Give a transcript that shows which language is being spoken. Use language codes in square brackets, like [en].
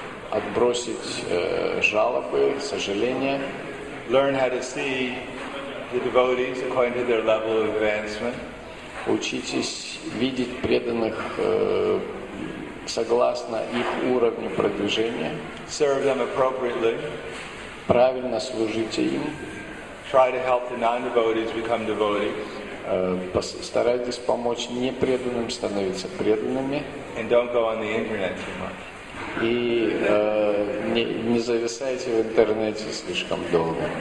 [ru] Отбросить жалобы, сожаления. [en] Learn how to see the devotees according to their level of advancement. [ru] Учитесь видеть преданных согласно их уровню продвижения. [en] Serve them appropriately. [ru] Правильно служите им. [en] Try to help the non-devotees become devotees. [ru] Старайтесь помочь непреданным становиться преданными. [en] And don't go on the internet too much. [ru] И не зависайте в интернете слишком долго.